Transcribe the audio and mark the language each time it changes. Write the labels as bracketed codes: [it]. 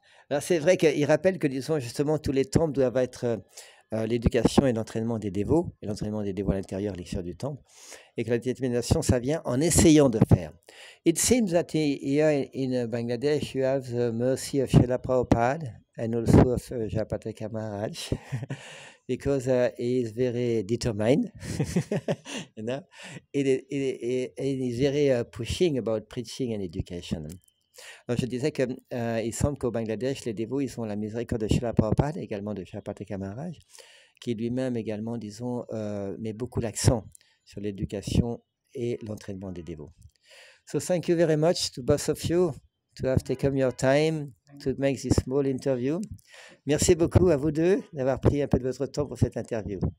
[fr] Alors c'est vrai qu'il rappelle que disons justement tous les temples doivent être l'éducation et l'entraînement des dévots, et l'entraînement des dévots à l'intérieur, l'extérieur du temple, et que la détermination ça vient en essayant de faire. [en] It seems that here in Bangladesh you have the mercy of Srila Prabhupada and also of Japataka Maharaj, because he is very determined, you know, and he is very pushing about preaching and education. [fr] Alors, je disais qu'il semble qu'au Bangladesh, les dévots, ils ont la miséricorde de Srila Prabhupada, également de Srila Pateka Maharaj, qui lui-même également, disons, met beaucoup l'accent sur l'éducation et l'entraînement des dévots. [en] So thank you very much to both of you to have taken your time to make this small interview. [fr] Merci beaucoup à vous deux d'avoir pris un peu de votre temps pour cette interview.